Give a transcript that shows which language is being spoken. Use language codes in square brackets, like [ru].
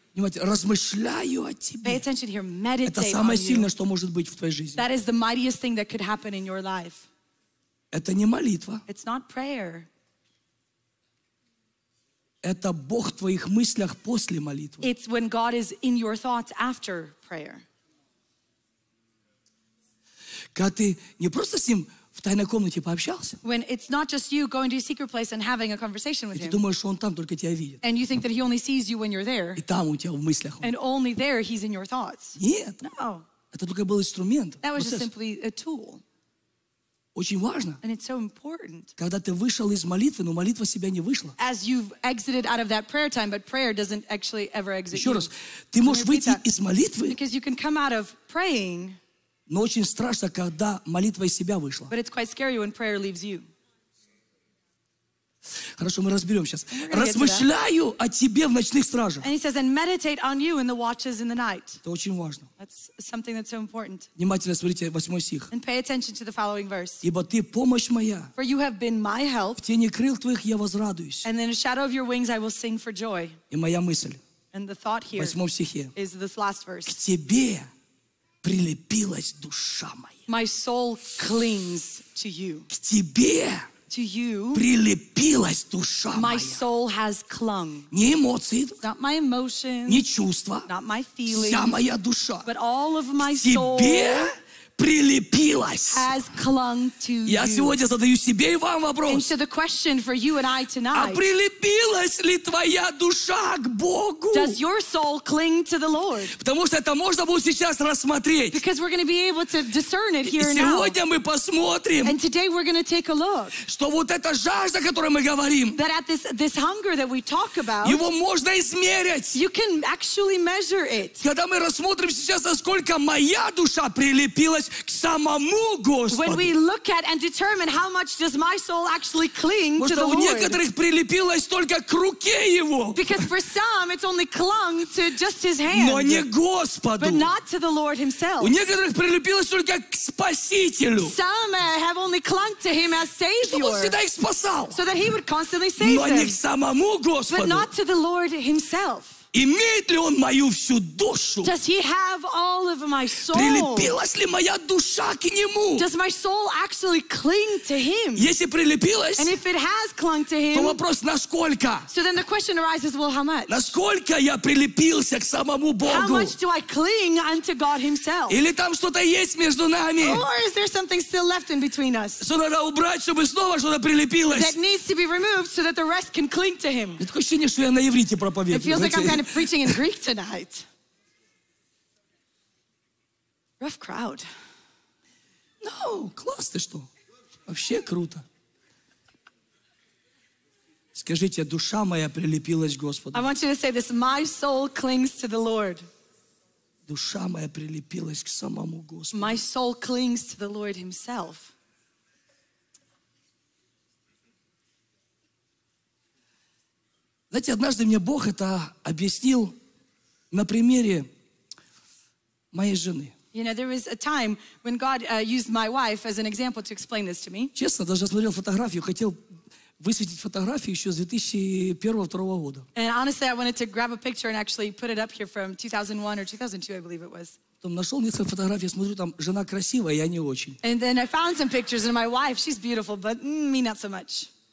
[ru] Понимаете, размышляю о тебе. [en] Pay attention here, meditate [ru] Это самое [en] on [ru] сильное, [en] you. [ru] Что может быть в твоей жизни. [en] That is the mightiest thing that could happen in your life. [ru] Это не молитва. [en] It's not prayer. [ru] Это Бог в твоих мыслях после молитвы. [en] It's when God is in your thoughts after prayer. [ru] Когда ты не просто с Ним в тайной комнате пообщался. [en] When it's not just you going to your secret place and having a conversation with him. [ru] И ты думаешь, что он там только тебя видит. [en] And you think that he only sees you when you're there. [ru] И там у тебя в мыслях он. [en] And only there he's in your thoughts. [ru] Нет. [en] No. [ru] Это только был инструмент. [en] That was just simply a tool. [ru] Очень важно. [en] And it's so important. [ru] Когда ты вышел из молитвы, но молитва себя не вышла. [en] As you've exited out of that prayer time, but prayer doesn't actually ever exit you. [ru] Еще раз. Ты можешь выйти из молитвы. [en] Because you can come out of praying. [ru] Но очень страшно, когда молитва из себя вышла. [en] But it's quite scary when prayer leaves you. [ru] Хорошо, мы разберем сейчас. Размышляю о тебе в ночных стражах. [en] And he says, and meditate on you in the watches in the night. [ru] Это очень важно. [en] That's something that's so important. [ru] Внимательно смотрите, 8 стих. [en] And pay attention to the following verse. [ru] Ибо ты помощь моя. [en] For you have been my help. [ru] В тени крыл твоих я возрадуюсь. [en] And in the shadow of your wings I will sing for joy. [ru] И моя мысль. [en] And the thought here. [ru] 8 стихе. [en] Is this last verse. [ru] К тебе прилепилась душа моя. [en] My soul clings to you. [ru] К тебе. [en] To you, [ru] прилепилась душа моя. [en] My soul has clung. [ru] Не эмоции, [en] not my emotions. [ru] Не чувства, [en] not my feelings. [ru] Вся моя душа. [en] But all of my [ru] soul. Тебе прилепилась. [en] Has clung to [ru] Я [en] you. [ru] Я сегодня задаю себе и вам вопрос. [en] And so the question for you and I tonight. [ru] А прилепилась ли твоя душа к Богу? [en] Does your soul cling to the Lord? [ru] Потому что это можно будет сейчас рассмотреть. [en] Because we're going to be able to discern it here and now. [ru] И сегодня мы посмотрим. [en] And today we're going to take a look. [ru] Что вот эта жажда, о которой мы говорим. [en] That at this hunger that we talk about. [ru] Его можно измерить. [en] You can actually measure it. [ru] Когда мы рассмотрим сейчас, насколько моя душа прилепилась. К самому Господу. [en] When we look at and determine how much does my soul actually cling [ru] Потому [en] to the Lord. [ru] У некоторых прилепилось только к руке Его. [en] Because for some it's only clung to just His hand. [ru] Но не Господу. [en] But not to the Lord Himself. [ru] У некоторых прилепилось только к Спасителю. [en] Some have only clung to Him as Savior. [ru] Чтобы Он всегда их спасал. [en] So that He would constantly save [ru] Но [en] them. [ru] Но не к самому Господу. [en] But not to the Lord Himself. [ru] Имеет ли он мою всю душу? [en] Does he have all of my soul? [ru] Прилепилась ли моя душа к нему? [en] Does my soul actually cling to him? [ru] Если прилепилась, [en] And if it has clung to him, [ru] то вопрос насколько? [en] So then the question arises, well, how much? [ru] Насколько я прилепился к самому Богу? [en] How much do I cling unto God himself? [ru] Или там что-то есть между нами? [en] Or is there something still left in between us? [ru] Что надо убрать, чтобы снова что-то прилепилось? [en] That needs to be removed so that the rest can cling to him. [ru] Такое ощущение, что я на иврите проповедую. [en] Kind of preaching in Greek tonight. Rough crowd. [ru] No, класс ты что? Вообще круто. Скажите, душа моя прилепилась к Господу. [en] I want you to say this: My soul clings to the Lord. [ru] Душа моя прилепилась к самому Господу. [en] My soul clings to the Lord Himself. [ru] Знаете, однажды мне Бог это объяснил на примере моей жены. [en] You know, there was a time when God used my wife as an example to explain this to me. [ru] Честно, даже смотрел фотографию, хотел высветить фотографию еще с 2001-2002 года. [en] And honestly, I wanted to grab a picture and actually put it up here from 2001 or 2002, I believe it was. [ru] Потом нашел несколько фотографий, смотрю, там жена красивая, я не очень. [en] And then I found some pictures and my wife, she's beautiful, but me not so much.